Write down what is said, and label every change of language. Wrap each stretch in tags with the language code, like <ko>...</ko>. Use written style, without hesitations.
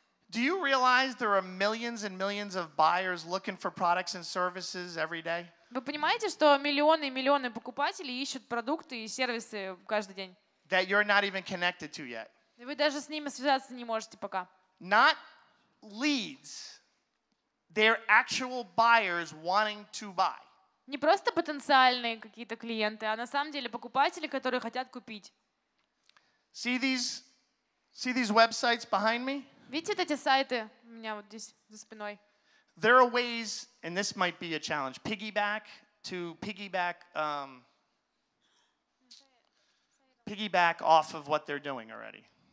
<en>Do you realize there are millions and millions of buyers looking for products and services every day?</en> <ru>Вы понимаете, что миллионы и миллионы покупателей ищут продукты и сервисы каждый день?</ru> <en>That you're not even connected to yet.</en> <ru>Вы даже с ними связаться не можете пока.</ru> <en>Not leads. They're actual buyers wanting to buy.</en> <ru>Не просто потенциальные какие-то клиенты, а на самом деле покупатели, которые хотят купить.</ru> <en>See these websites behind me?</en> <ru>Видите эти сайты у меня вот здесь за спиной?</ru> <en>There are ways, and this might be a challenge, piggyback off of what they're doing already.</en>